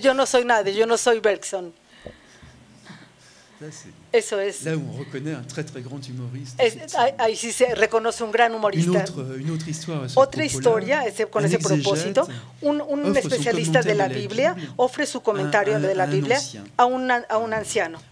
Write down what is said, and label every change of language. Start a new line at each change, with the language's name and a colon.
Spanish: yo no soy nadie, yo no soy Bergson. Eso es.
French: Là où on reconnaît un très très grand humoriste.
Spanish: Ahí sí se reconoce un gran humorista.
French: Une autre histoire.
Spanish: Otra historia con ese propósito. Un especialista de la Biblia ofrece su comentario de la Biblia a un anciano.